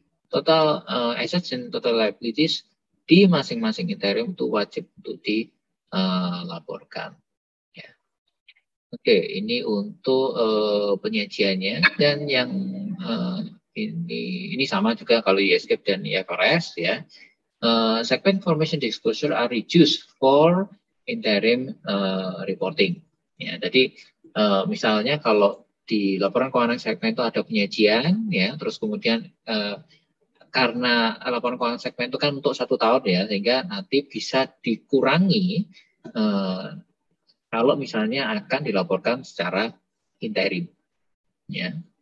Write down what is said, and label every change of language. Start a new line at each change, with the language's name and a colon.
Indonesian: Total assets dan total liabilities di masing-masing Ethereum itu wajib untuk dilaporkan. Oke, ini untuk penyajiannya dan yang ini sama juga kalau USGAAP dan IFRS ya.
English: Segment information disclosure are reduced for interim reporting.
Indonesian: Ya, jadi misalnya kalau di laporan keuangan segmen itu ada penyajian, ya, terus kemudian karena laporan keuangan segmen itu kan untuk 1 tahun ya, sehingga nanti bisa dikurangi kalau misalnya akan dilaporkan secara interim. Ya.